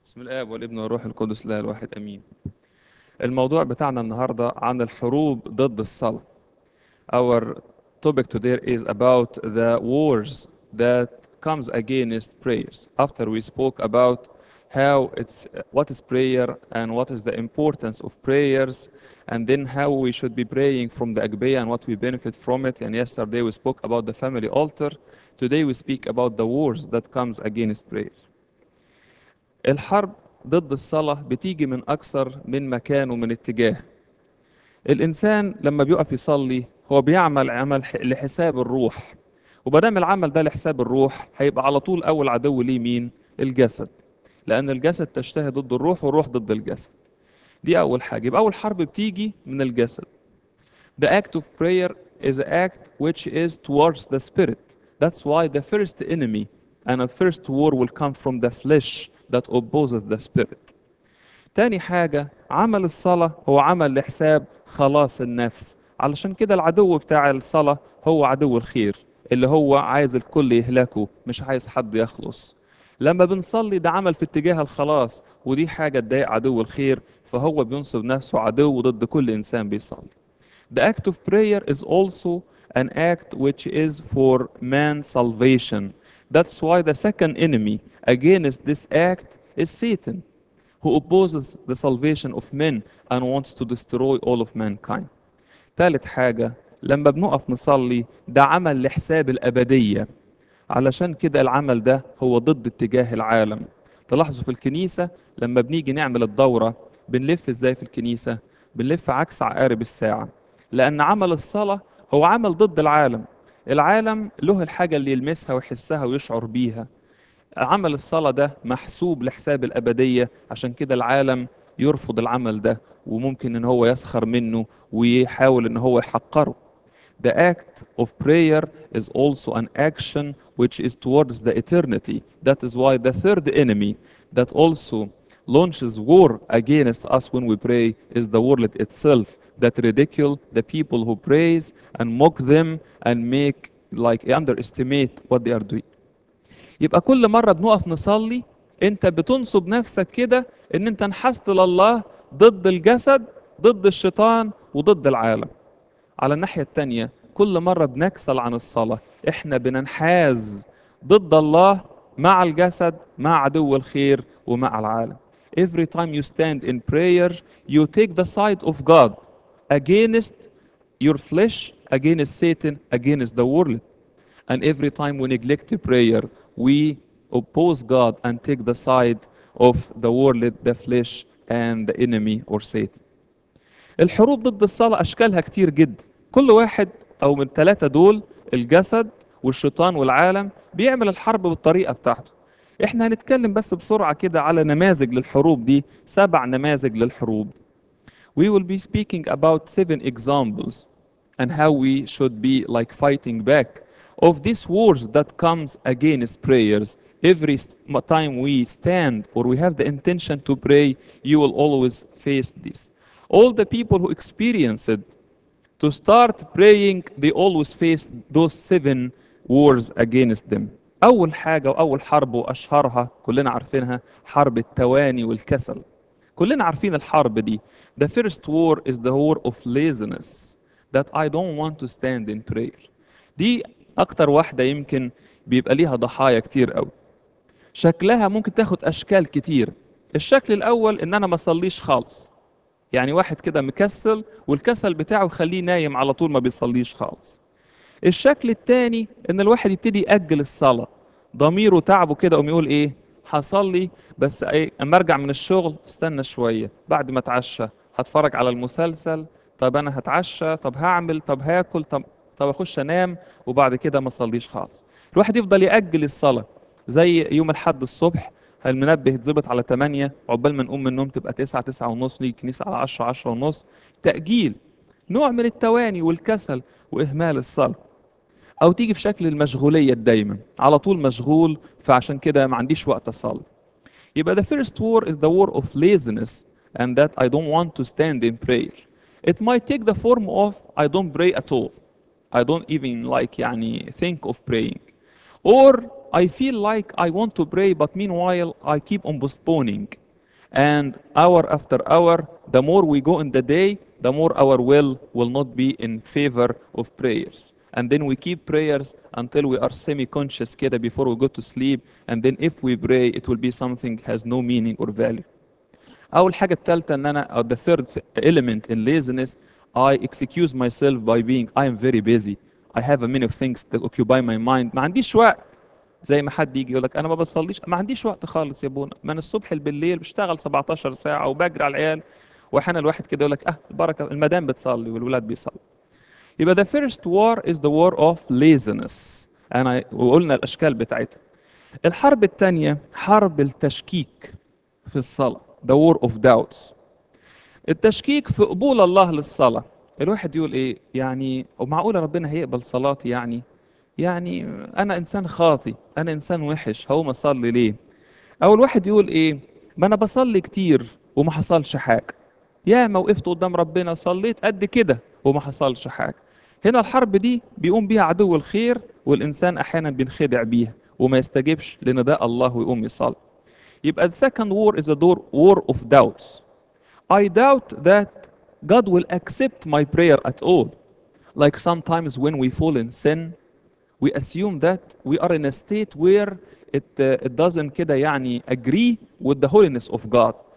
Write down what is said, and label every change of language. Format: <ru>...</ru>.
<ar>بسم الآب والابن والروح القدس الإله الواحد أمين. الموضوع بتاعنا النهاردة عن الحروب ضد الصلاة.</ar> <en>Our topic today is about the wars that comes against prayers. After we spoke about how it's what is prayer and what is the importance of prayers and then how we should be praying from the Agbaya and what we benefit from it. And yesterday we spoke about the family altar. Today we speak about the wars that comes against prayers.</en> <ar>الحرب ضد الصلاة بتيجي من أكثر من مكان ومن اتجاه. الإنسان لما بيقف يصلي هو بيعمل عمل لحساب الروح، وبدام العمل ده لحساب الروح هيبقى على طول أول عدو ليه مين؟ الجسد، لأن الجسد تشتهي ضد الروح والروح ضد الجسد. دي أول حاجة، يبقى أول حرب بتيجي من الجسد.</ar> <en>The act of prayer is an act which is towards the spirit. That's why the first enemy and the first war will come from the flesh. That opposes the spirit.</en> <ar>تاني حاجة، عمل الصلاة هو عمل لحساب خلاص النفس، علشان كده العدو بتاع الصلاة هو عدو الخير، اللي هو عايز الكل يهلكه، مش عايز حد يخلص. لما بنصلي ده عمل في اتجاه الخلاص، ودي حاجة تضايق عدو الخير، فهو بينصب نفسه عدو ضد كل إنسان بيصلي.</ar> <en>The act of prayer is also an act which is for man's salvation. That's why the second enemy against this act is Satan, who opposes the salvation of men and wants to destroy all of mankind.</en> <ar>تالت حاجة، لما بنقف نصلي ده عمل لحساب الأبدية، علشان كده العمل ده هو ضد اتجاه العالم. تلاحظوا في الكنيسة لما بنيجي نعمل الدورة بنلف ازاي في الكنيسة؟ بنلف عكس عقارب الساعة، لأن عمل الصلاة هو عمل ضد العالم. العالم له الحاجة اللي يلمسها ويحسها ويشعر بيها. عمل الصلاة ده محسوب لحساب الأبدية، عشان كده العالم يرفض العمل ده وممكن ان هو يسخر منه ويحاول ان هو يحقره.</ar> <en>The act of prayer is also an action which is towards the eternity. That is why the third enemy that also launches war against us when we pray is the world itself that ridicule the people who praise and mock them and make like underestimate what they are doing.</en> <ar>يبقى كل مرة بنقف نصلي انت بتنصب نفسك كده ان انت انحست لله ضد الجسد ضد الشيطان وضد العالم. على الناحية التانية كل مرة بنكسل عن الصلاة احنا بننحاز ضد الله مع الجسد مع عدو الخير ومع العالم.</ar> <en>Every time you stand in prayer, you take the side of God against your flesh, against Satan, against the world. And every time we neglect prayer, we oppose God and take the side of the world, the flesh, and the enemy or Satan.</en> <ar>الحروب ضد الصلاة أشكالها كتير جدا. كل واحد أو من الثلاثة دول، الجسد والشيطان والعالم، بيعمل الحرب بالطريقة بتاعته. احنا هنتكلم بس بسرعة كده على نماذج للحروب دي، سبع نماذج للحروب.</ar> <en>We will be speaking about seven examples and how we should be like fighting back of these wars that comes against prayers. Every time we stand or we have the intention to pray, you will always face this. All the people who experienced to start praying, they always face those seven wars against them.</en> <ar>أول حاجة وأول حرب وأشهرها كلنا عارفينها حرب التواني والكسل. كلنا عارفين الحرب دي. The first war is the war of laziness that I don't want to stand in prayer. دي أكتر واحدة يمكن بيبقى ليها ضحايا كتير قوي. شكلها ممكن تاخد أشكال كتير. الشكل الأول إن أنا ما صليش خالص. يعني واحد كده مكسل والكسل بتاعه يخليه نايم على طول ما بيصليش خالص. الشكل الثاني ان الواحد يبتدي يأجل الصلاة، ضميره تعبه كده قوم يقول ايه هصلي بس ايه اما ارجع من الشغل استنى شوية بعد ما اتعشى هتفرج على المسلسل، طب انا هتعشى، طب هعمل، طب هاكل، طب اخش انام وبعد كده ما اصليش خالص. الواحد يفضل يأجل الصلاة زي يوم الحد الصبح المنبه يتظبط على 8 عقبال ما نقوم من النوم تبقى 9 9 ونص نيجي الكنيسة على 10 10 ونص. تأجيل نوع من التواني والكسل وإهمال الصلاة. أو تيجي في شكل المشغولية دايما، على طول مشغول فعشان كده ما عنديش وقت أصلي. يبقى</ar> <en>the first war is the war of laziness and that I don't want to stand in prayer. It might take the form of I don't pray at all. I don't even like</en> <ar>يعني</ar> <en>think of praying. Or I feel like I want to pray but meanwhile I keep on postponing. And hour after hour, the more we go in the day, the more our will not be in favor of prayers. And then we keep prayers until we are semi-conscious</en> <ar>kida</ar> <en>before we go to sleep. And then if we pray, it will be something has no meaning or value.</en> <ar>أول حاجة الثالثة إن أنا أو</ar> <en>the third element in laziness, I excuse myself by being I am very busy. I have a many of things that occupy my mind.</en> <ar>ما عنديش وقت. زي ما حد يجي يقول لك أنا ما بصليش، ما عنديش وقت خالص يا بونا، من الصبح بالليل بشتغل 17 ساعة وبجري على العيال، وأحيانا الواحد كده يقول لك أه البركة المدام بتصلي والولاد بيصلي. يبقى</ar> <en>the first war is the war of laziness.</en> <ar>أنا وقلنا الأشكال بتاعتها. الحرب الثانية حرب التشكيك في الصلاة. The war of doubts. التشكيك في قبول الله للصلاة. الواحد يقول إيه؟ يعني ومعقولة ربنا هيقبل صلاتي يعني؟ يعني أنا إنسان خاطي، أنا إنسان وحش، هقوم أصلي ليه؟ أو الواحد يقول إيه؟ ما أنا بصلي كتير وما حصلش حاجة. ياما وقفت قدام ربنا وصليت قد كده وما حصلش حاجة. هنا الحرب دي بيقوم بيها عدو الخير والإنسان أحيانا بينخدع بيها وما يستجبش لنداء الله ويقوم يصلي. يبقى</ar> <en>the second war is a war of doubts. I doubt that God will accept my prayer at all. Like sometimes when we fall in sin, we assume that we are in a state where it doesn't</en> <ar>كده يعني</ar> <en>agree with the holiness of God.</en>